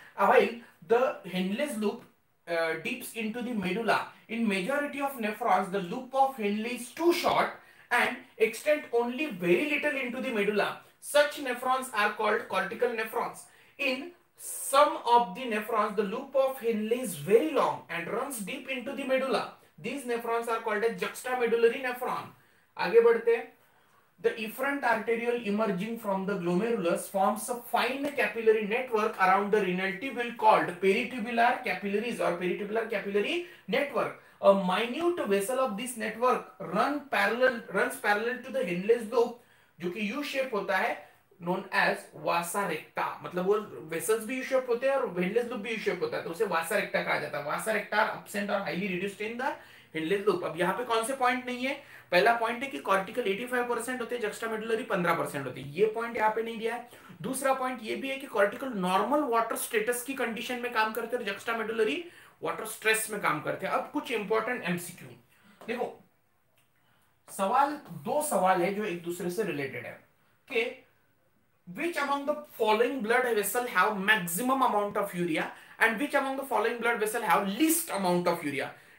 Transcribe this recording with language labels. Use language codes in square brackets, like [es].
[en] While the Henle's loop dips into the medulla in majority of nephrons the loop of Henle is too short and extend only very little into the medulla such nephrons are called cortical nephrons. In some of the nephrons the loop of Henle is very long and runs deep into the medulla. These nephrons are called as juxtamedullary nephron. [hi] आगे बढ़ते हैं। [en] The efferent arteriole emerging from the glomerulus forms a fine capillary network around the renal tubule called peritubular capillaries or peritubular capillary network. A minute vessel of this network runs parallel to the Henle's lobe, [hi] जो कि U shape होता है, [en] known as vasa recta. [hi] मतलब वो vessels भी U shape होते हैं और Henle's lobe भी U shape होता है, तो उसे vasa recta कहा जाता है। [en] Vasa recta are absent or highly reduced in the Henle's lobe. [hi] अब यहाँ पे कौन से point नहीं है? पहला पॉइंट है कि कॉर्टिकल 85% होते हैं, जक्स्टामेडुलरी 15% होते हैं, ये पॉइंट यहाँ पे नहीं दिया है। दूसरा पॉइंट ये भी है कि कॉर्टिकल नॉर्मल वाटर स्टेटस की कंडीशन में काम करते हैं और जक्स्टामेडुलरी वाटर स्ट्रेस में काम करते हैं। अब कुछ इंपॉर्टेंट एमसीक्यू देखो, सवाल दो सवाल है जो एक दूसरे से रिलेटेड है के [en] which among the following blood vessel have maximum amount of urea [hi] and which among the following blood vessel have least amount of urea.